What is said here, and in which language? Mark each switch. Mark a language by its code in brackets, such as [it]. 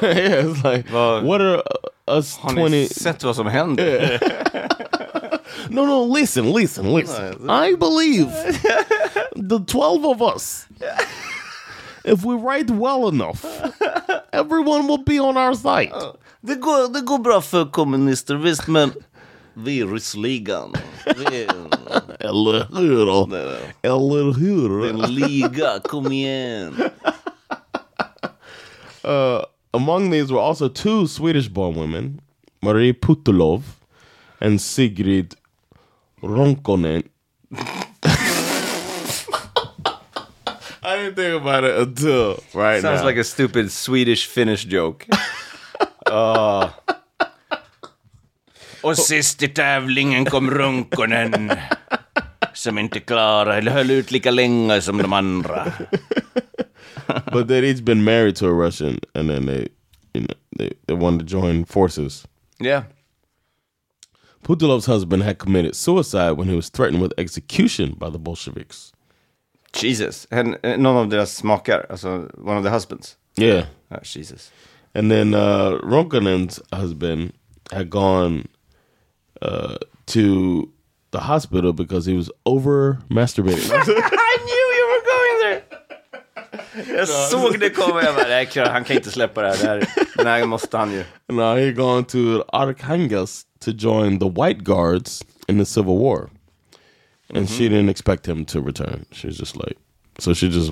[en] Yeah, it's like, well, what are us 20... [sv] Sett vad som händer. [en] No, no, listen, listen, listen. I believe the 12 of us, if we write well enough, everyone will be on our side. [sv] Det går bra för kommunister, visst, men vi är Ryssligan. Eller hur? Eller hur? Den liga, kom igen. [en] Among these were also two Swedish-born women, Marie Putulov and Sigrid Ronkonen. I didn't think about it until right Sounds now. Like a stupid Swedish-Finnish joke. [sv] Och sist i tävlingen kom Ronkonen, som inte klarade eller höll ut lika länge som de andra. [en] But they'd each been married to a Russian, and then they, you know, they wanted to join forces. Yeah. Putulov's husband had committed suicide when he was threatened with execution by the Bolsheviks. Jesus. And none of their smakar, also one of the husbands. Yeah. Oh, Jesus. And then Ronkonen's husband had gone to the hospital because he was over masturbating. [sv] Jag såg det komma. Jag bara, han kan inte släppa det här. Nej, måste han ju. [en] No, he gone to Arkhangelsk to join the White Guards in the Civil War. And she didn't expect him to return. She was just like, so she just